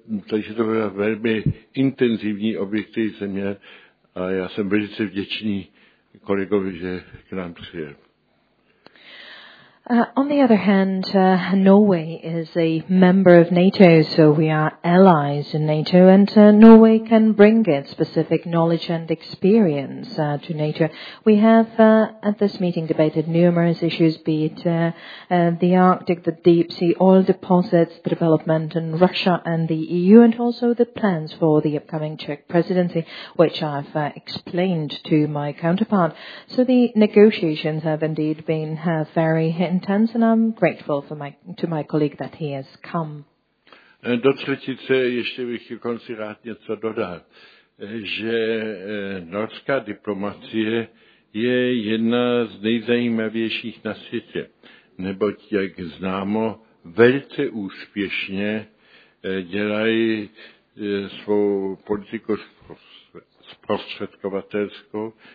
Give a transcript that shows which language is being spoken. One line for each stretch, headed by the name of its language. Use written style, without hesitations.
Czech: Takže to byla velmi intenzivní objekty země a já jsem velice vděčný kolegovi, že k nám přijel.
English: On the other hand, Norway is a member of NATO, so we are allies in NATO, and Norway can bring its specific knowledge and experience to NATO. We have at this meeting debated numerous issues, be it the Arctic, the deep sea oil deposits, the development in Russia and the EU, and also the plans for the upcoming Czech presidency, which I've explained to my counterpart. So the negotiations have indeed been very intense, and I'm grateful for to my colleague that he has come.
Czech: Do třetice ještě bych ke konci rád něco dodal, že norská diplomacie je jedna z nejzajímavějších na světě, neboť, jak známo, velice úspěšně dělají svou politiku zprostředkovatelskou.